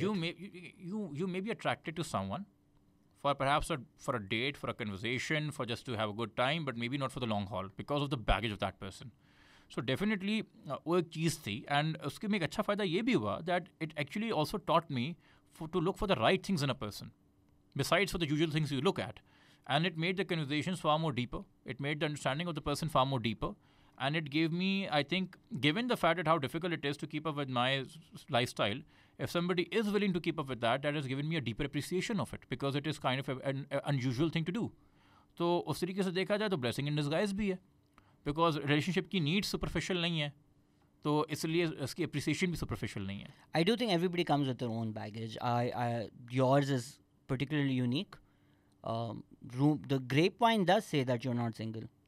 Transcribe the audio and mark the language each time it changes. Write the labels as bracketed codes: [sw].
[en] you may be attracted to someone for perhaps for a date for a conversation for just to have a good time but maybe not for the long haul because of the baggage of that person so definitely [ur] वो एक चीज़ थी and उसके में एक अच्छा फायदा ये भी हुआ [en] That it actually also taught me to look for the right things in a person besides for the usual things you look at And it made the conversations far more deeper. It made the understanding of the person far more deeper. And it gave me, I think, given the fact that how difficult it is to keep up with my lifestyle, if somebody is willing to keep up with that, that has given me a deeper appreciation of it because it is kind of an unusual thing to do. [ur] تو اس طریقے سے دیکھا جائے تو blessing in disguise بھی ہے, because relation شپ کی need superficial نہیں ہے, تو اس لیے اس کی اپریسیشن بھی سپرفیشل نہیں ہے. [en] I do think everybody comes with their own baggage. Yours is particularly unique. From the grapevine does say that you are not single.